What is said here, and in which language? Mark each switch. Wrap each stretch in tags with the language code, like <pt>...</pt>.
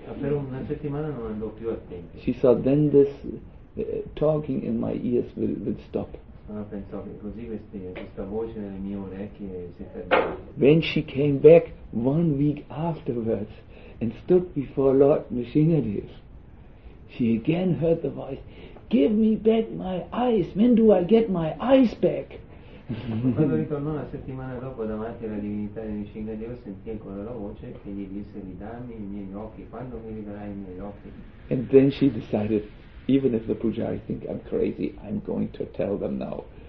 <it>Ma per una settimana non andò più al tempio.</it> <en>She thought, then this talking in my ears will stop.</en> <it>Allora pensò che così questa voce nelle mie orecchie si fermava.</it> <en>When she came back 1 week afterwards and stood before Lord Nrsimhadeva, she again heard the voice, give me back my eyes, when do I get my eyes back?</en> <it>Quando ritornò una settimana dopo davanti alla divinità di Nrsimhadeva, sentì ancora la voce che gli disse, ridammi i miei occhi, quando mi ridarai i miei occhi?</it> <en>And then she decided, even if the pujari think I'm crazy, I'm going to tell them now.</en>